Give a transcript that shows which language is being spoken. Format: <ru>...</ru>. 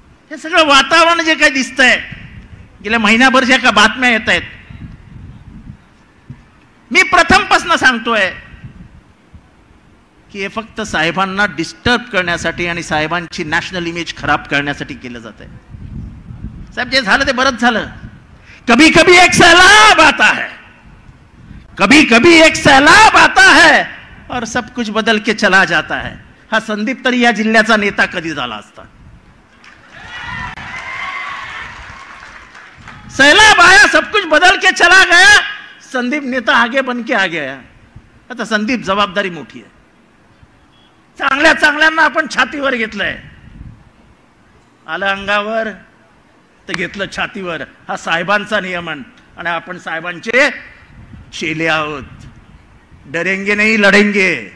<mr>हे सगळं वातावरण जे काही दिसतंय, गेल्या महिन्याभर ज्या काही बातम्या येत आहेत, मी प्रथमपासून सांगतोय की हे फक्त साहेबांना डिस्टर्ब करण्यासाठी आणि साहेबांची नॅशनल इमेज खराब करण्यासाठी केलं जात आहे। साहेब जे झालं ते बरंच झालं,</mr> <hi>कभी कभी एक सैलाब आता है, कभी कभी एक सैलाब आता है और सब कुछ बदल के चला जाता है।</hi> <mr>हा संदीप तरी या जिल्ह्याचा नेता कधी झाला असता?</mr> <hi>सैलाब आया, सब कुछ बदल के चला गया, संदीप नेता आगे बन के आ गया।</hi> <mr>आता संदीप जबाबदारी मोठी आहे, चांगल्या चांगल्यांना आपण छातीवर घेतलंय, आलं अंगावर तर घेतलं छातीवर, हा साहेबांचा नियमन आणि आपण साहेबांचे चेले आहोत, डरेंगे नाही लढेंगे।</mr>